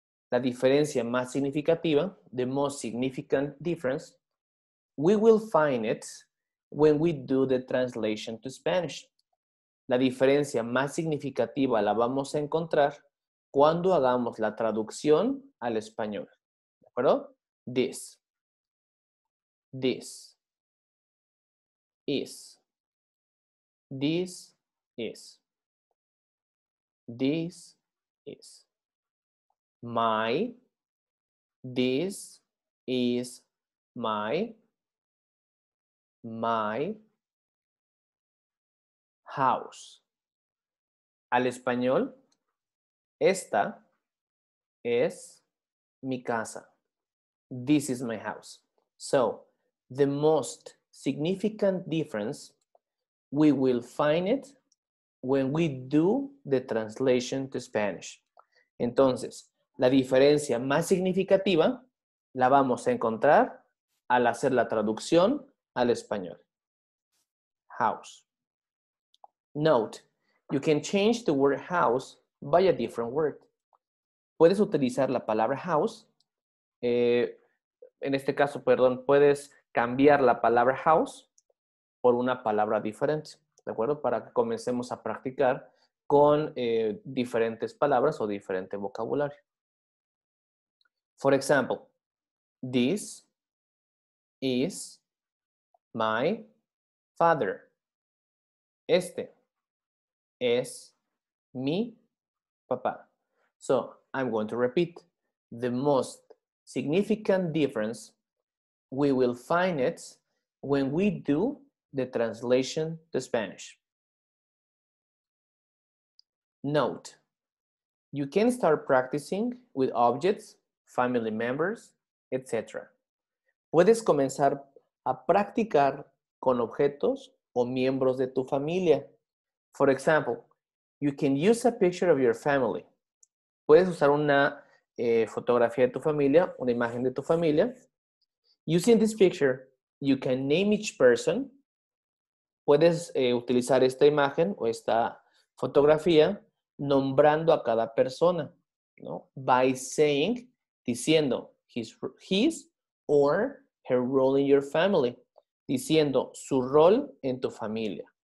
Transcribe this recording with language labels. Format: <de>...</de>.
<es>La diferencia más significativa,</es> <en>the most significant difference, we will find it when we do the translation to Spanish.</en> <es>La diferencia más significativa la vamos a encontrar cuando hagamos la traducción al español. ¿De acuerdo? This.</es> <en>This is, this is, this is, my, this is my, my house.</en> <es>Al español, esta es mi casa.</es> <en>This is my house. So, the most significant difference, we will find it when we do the translation to Spanish.</en> <es>Entonces, la diferencia más significativa la vamos a encontrar al hacer la traducción al español.</es> <en>House. Note, you can change the word house by a different word.</en> <es>Puedes utilizar la palabra house. En este caso, perdón, puedes cambiar la palabra house por una palabra diferente, ¿de acuerdo? Para que comencemos a practicar con diferentes palabras o diferente vocabulario.</es> <en>For example, this is my father.</en> <es>Este es mi papá.</es> <en>So, I'm going to repeat. The most significant difference, we will find it when we do the translation to Spanish. Note, you can start practicing with objects, family members, etc.</en> <es>Puedes comenzar a practicar con objetos o miembros de tu familia.</es> <en>For example, you can use a picture of your family.</en> <es>Puedes usar una fotografía de tu familia, una imagen de tu familia.</es> <en>Using this picture, you can name each person.</en> <es>Puedes utilizar esta imagen o esta fotografía nombrando a cada persona, ¿no?</es> <en>By saying, diciendo his or her role in your family,</en> <es>diciendo su rol en tu familia.</es>